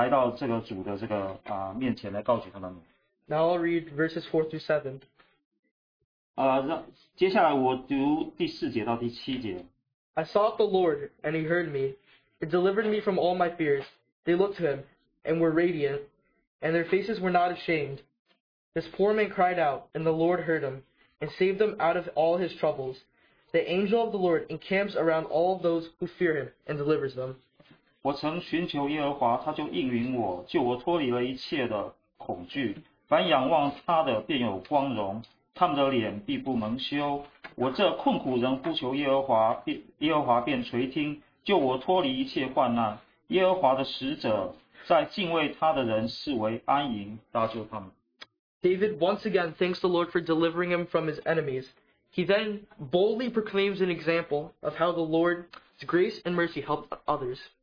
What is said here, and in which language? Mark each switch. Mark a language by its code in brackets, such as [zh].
[zh] 在一开始的时候，大卫就称谢这个主的名，然后他邀请，就是他来让我们看见这个主的这个伟大，然后邀请我们一起来到这个主的这个面前来高举他的名。 [en] Now I'll read verses 4-7. [zh] 接下来我读第四节到第七节。 [en] I sought the Lord, and he heard me. He delivered me from all my fears. They looked to him, and were radiant, and their faces were not ashamed. This poor man cried out, and the Lord heard him, and saved him out of all his troubles. The angel of the Lord encamps around all those who fear him, and delivers them. [zh] 我曾寻求耶和华，他就应允我，救我脱离了一切的恐惧。凡仰望他的便有光荣，他们的脸必不蒙羞。我这困苦人呼求耶和华，耶和华便垂听，救我脱离一切患难。耶和华的使者在敬畏他的人视为安营，搭救他们。 [en] David once again thanks the Lord for delivering him from his enemies. He then boldly proclaims an example of how the Lord's grace and mercy helped others.